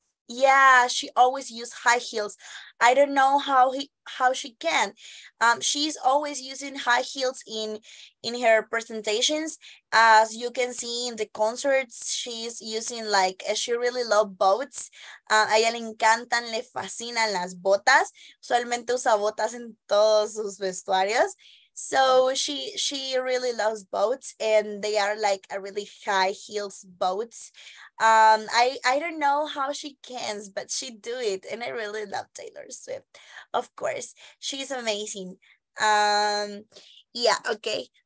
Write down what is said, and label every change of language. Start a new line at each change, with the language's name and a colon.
English: Yeah, she always uses high heels. I don't know how she can. She's always using high heels in her presentations. As you can see in the concerts, she's using like, she really loves boots.
Spanish: A ella le encantan, le fascinan las botas. Usualmente usa botas en todos sus vestuarios.
English: So she really loves boots, and they are like a really high heels boots. I don't know how she can, but she do it, and I really love Taylor Swift. Of course, she's amazing. Yeah, okay.